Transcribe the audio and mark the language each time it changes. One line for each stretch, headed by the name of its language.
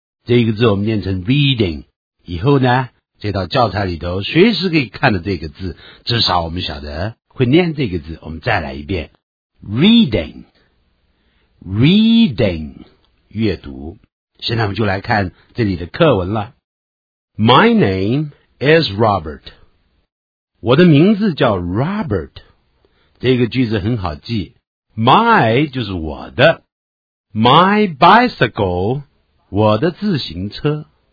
Chinese: 这个字我们念成 reading， 以后呢，这道教材里头随时可以看到这个字，至少我们晓得会念这个字。我们再来一遍。
English: Reading, reading, 阅读。
Chinese: 现在我们就来看这里的课文了。
English: My name is Robert.
Chinese: 我的名字叫 Robert. 这个句子很好记。My 就是我的。
English: My bicycle,
Chinese: 我的自行车。